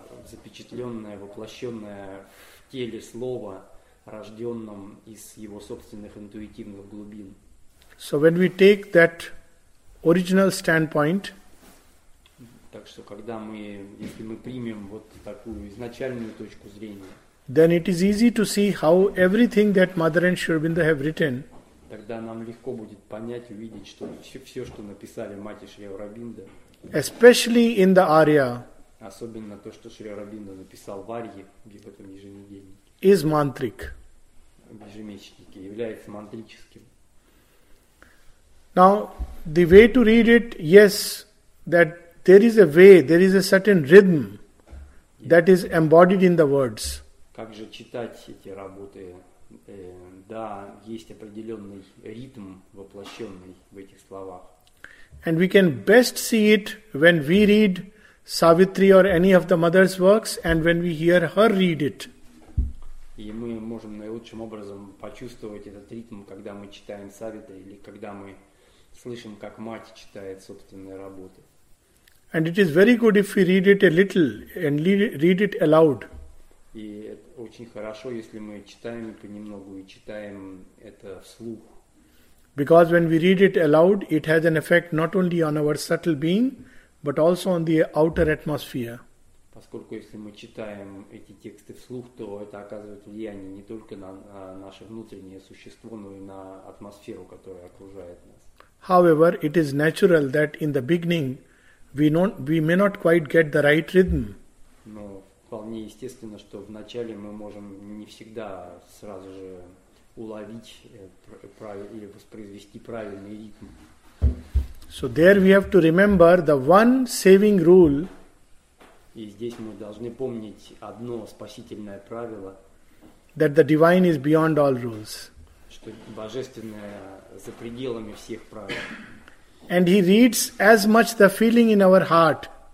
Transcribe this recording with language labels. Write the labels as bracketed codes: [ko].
[ru] Запечатленное, воплощенное в теле слова, рожденном из его собственных интуитивных глубин. [en] So when we take that original standpoint, [ru] так что когда мы, если мы примем вот такую изначальную точку зрения, [en] then it is easy to see how everything that Mother and Sri Aurobindo have written. [ru] Тогда нам легко будет понять, увидеть, что все, что написали мать Шри Аурабинда, [en] especially in the Arya, [ru] особенно то, что Шри Аурабинда написал в Арье, в этом еженедельнике, [en] is mantric. [ru] В ежемесячнике, является мантрическим. [en] Now, the way to read it, yes, that there is a way, there is a certain rhythm that is embodied in the words. [ru] Как же читать эти работы? Да, есть определенный ритм, воплощенный в этих словах. [en] And we can best see it when we read Savitri or any of the mother's works and when we hear her read it. [ru] И мы можем наилучшим образом почувствовать этот ритм, когда мы читаем Савитри или когда мы слышим, как мать читает собственные работы. [en] And it is very good if we read it a little and read it aloud. [ru] И очень хорошо, если мы читаем понемногу и читаем это вслух. [en] Because when we read it aloud, it has an effect not only on our subtle being, but also on the outer atmosphere. [ru] Поскольку если мы читаем эти тексты вслух, то это оказывает влияние не только на наше внутреннее существо, но и на атмосферу, которая окружает нас. [en] However, it is natural that in the beginning we may not quite get the right rhythm. [ru] Но вполне естественно, что вначале мы можем не всегда сразу же уловить или воспроизвести правильный ритм. [en] So there we have to remember the one saving rule. [ru] И здесь мы должны помнить одно спасительное правило. [en] That the divine is beyond all rules. [ru] Что божественное за пределами всех правил. [en] And he reads as much the feeling in our heart.